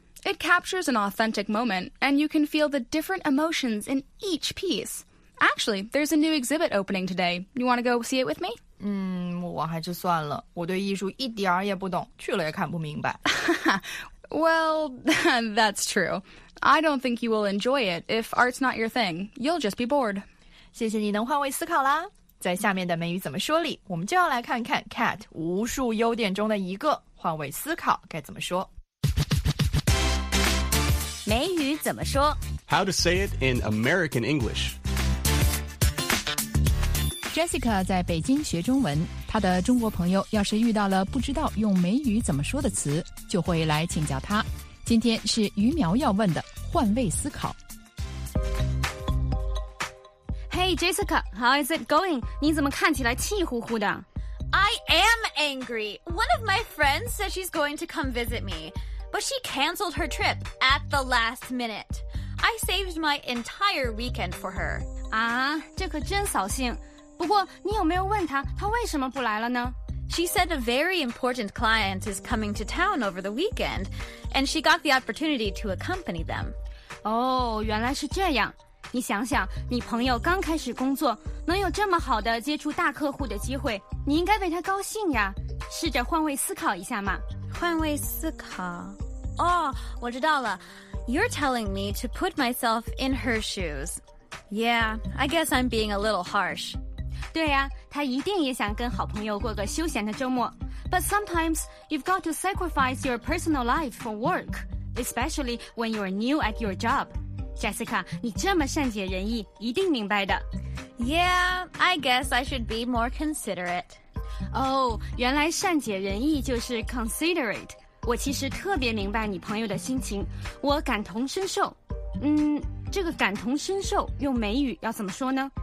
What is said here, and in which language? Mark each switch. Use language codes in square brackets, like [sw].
[en] It captures an authentic moment, and you can feel the different emotions in each piece. Actually, there's a new exhibit opening today. You want to go see it with me? [zh] 我还是算了，我对艺术一点也不懂，去了也看不明白。 [en] Well, that's true. I don't think you will enjoy it if art's not your thing. You'll just be bored. [zh] 谢谢你能换位思考啦。在下面的美语怎么说里，我们就要来看看 Cat 无数优点中的一个，换位思考该怎么说。美语怎么说？ [en] How to say it in American English. [zh] Jessica 在北京学中文，她的中国朋友要是遇到了不知道用美语怎么说的词，就会来请教她。今天是于苗要问的换位思考。 [en] Hey, Jessica, how is it going? [zh] 你怎么看起来气呼呼的? [en] I am angry. One of my friends said she's going to come visit me, but she canceled her trip at the last minute. I saved my entire weekend for her. [zh] 啊，这可真扫兴。不过你有没有问她，她为什么不来了呢? [en] She said a very important client is coming to town over the weekend, and she got the opportunity to accompany them. [zh] 哦，原来是这样。你想想，你朋友刚开始工作，能有这么好的接触大客户的机会，你应该为他高兴呀。试着换位思考一下嘛。换位思考？哦，我知道了。 [en] You're telling me to put myself in her shoes. Yeah, I guess I'm being a little harsh. [zh] 对呀，他一定也想跟好朋友过个休闲的周末。 [en] But sometimes you've got to sacrifice your personal life for work, especially when you're new at your job. [zh] Jessica, 你这么善解人意，一定明白的。 [en] Yeah, I guess I should be more considerate. [zh] Oh, 原来善解人意就是 considerate. 我其实特别明白你朋友的心情，我感同身受。这个感同身受用美语要怎么说呢？